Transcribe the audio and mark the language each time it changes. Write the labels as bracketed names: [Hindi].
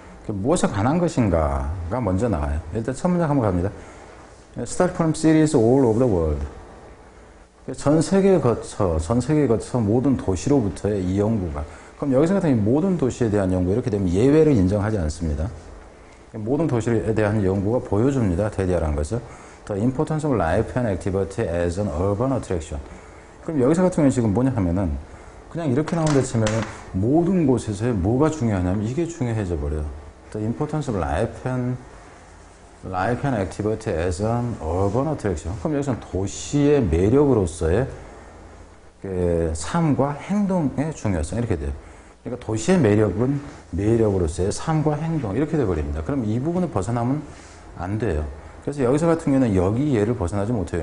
[Korean] 무엇에 관한 것인가가 먼저 나와요. 일단 첫 문장 한번 갑니다. [English] Start from cities all over the world. [Korean] 전 세계에 거쳐 모든 도시로부터의 이 연구가. 그럼 여기서 같은 모든 도시에 대한 연구, 이렇게 되면 예외를 인정하지 않습니다. 모든 도시에 대한 연구가 보여줍니다. 대디아라는 거죠. [English] The importance of life and activity as an urban attraction. [Korean] 그럼 여기서 같은 경우는 지금 뭐냐 하면은 그냥 이렇게 나온 데 치면은 모든 곳에서의 뭐가 중요하냐면 이게 중요해져 버려요. [English] The importance of life and activity as an urban attraction. [Korean] 그럼 여기서는 도시의 매력으로서의 삶과 행동의 중요성 이렇게 돼요. 그러니까 도시의 매력은 매력으로서의 삶과 행동 이렇게 되어버립니다. 그럼 이 부분을 벗어나면 안 돼요. 그래서 여기서 같은 경우는 여기 예를 벗어나지 못해요.